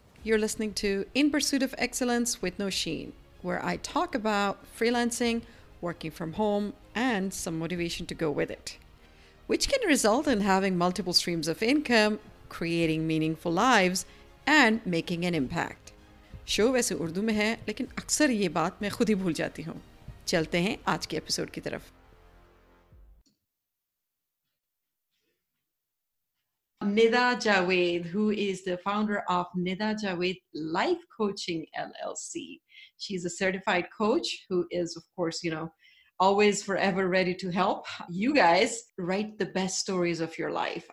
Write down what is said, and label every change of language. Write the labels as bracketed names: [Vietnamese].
[English] You're listening to In Pursuit of Excellence with Nosheen, where I talk about freelancing, working from home, and some motivation to go with it, which can result in having multiple streams of income, creating meaningful lives, and making an impact. [Hindi] Show वैसे उर्दू में है, लेकिन अक्सर ये बात मैं खुद ही भूल जाती हूँ. चलते हैं आज के एपिसोड की तरफ. [English] Nida Jawed, who is the founder of Nida Jawed Life Coaching LLC. She's a certified coach who is, of course, you know, always forever ready to help you guys write the best stories of your life.